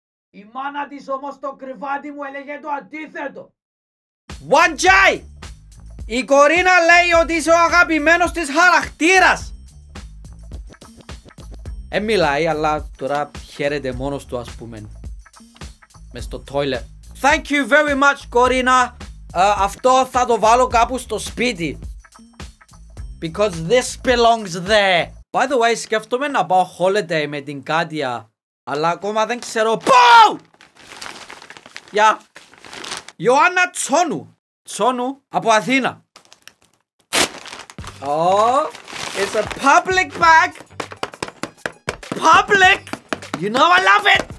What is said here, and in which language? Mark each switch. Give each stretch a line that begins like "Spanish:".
Greek: Η μάνα της όμως το κρεβάτι μου έλεγε το αντίθετο. 1J! Η Κορίνα λέει ότι είσαι ο αγαπημένος της χαρακτήρας! Μιλάει, αλλά τώρα χαίρεται μόνος του, ας πούμε. Μες στο toilet.
English: Thank you very much, Κορίνα!
Greek: Αυτό θα το βάλω κάπου στο σπίτι.
English: Because this belongs there! By the way,
Greek: σκέφτομαι να πάω holiday με την Κάτια. Αλλά ακόμα δεν ξέρω... BOW! Yeah.
English: Ιωάννα Τσόνου. Τσόνου από Αθήνα. Oh, it's a public bag. Public. You know I love it.